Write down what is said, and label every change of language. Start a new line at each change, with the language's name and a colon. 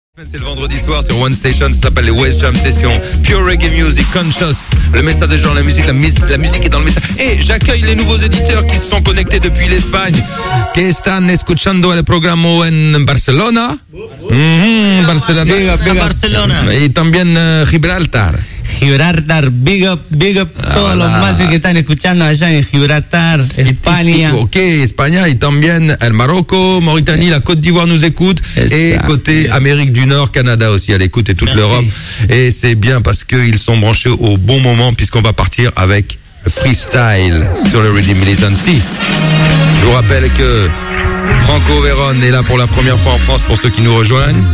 French: C'est le vendredi soir sur One Station, ça s'appelle les West Jam Session.
English: Pure Reggae Music Conscious.
French: Le message des gens, la musique est dans le message. Et j'accueille les nouveaux éditeurs qui se sont connectés depuis l'Espagne.
Spanish: Que están escuchando el programa en Barcelona. Barcelona. Barcelona. Y también Gibraltar.
English: Gibraltar, big up, big up.
Spanish: Todos los más que están escuchando allá en Gibraltar, España.
French: Ok,
Spanish: España y también el
French: Marocco, Mauritanie, la Côte d'Ivoire nous écoute. Et côté Amérique du Nord, Canada aussi à l'écoute et toute l'Europe. Et c'est bien parce qu'ils sont branchés au bon moment puisqu'on va partir avec le freestyle sur le Ready Militancy. Je vous rappelle que Franco Verón est là pour la première fois en France pour ceux qui nous rejoignent.